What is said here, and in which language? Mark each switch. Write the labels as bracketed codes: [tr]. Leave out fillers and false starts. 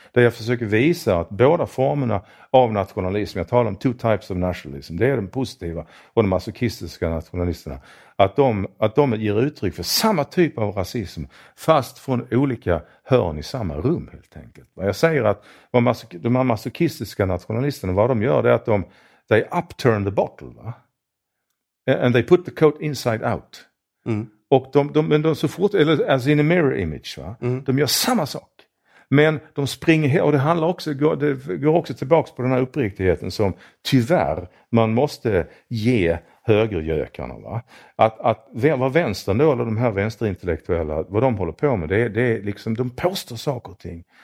[sv] Där jag försöker visa att båda formerna av nationalism, jag talar om [en] two types of nationalism, [sv] det är den positiva och de masochistiska nationalisterna, att de ger uttryck för samma typ av rasism fast från olika hörn i samma rum helt enkelt. Jag säger att de här masochistiska nationalisterna, vad de gör är att de [en] they upturn the bottle, [sv] va? [en] And they put the coat inside out. Mm. [sv] Och de så fort, eller [en] as in a mirror image, [sv] va? Mm. De gör samma sak. Men de springer, och det handlar också, det går också tillbaka på den här uppriktigheten som tyvärr man måste ge högergökarna, va? Att vad vänstern då, eller de här vänsterintellektuella, vad de håller på med, det är liksom, de påstår saker och ting.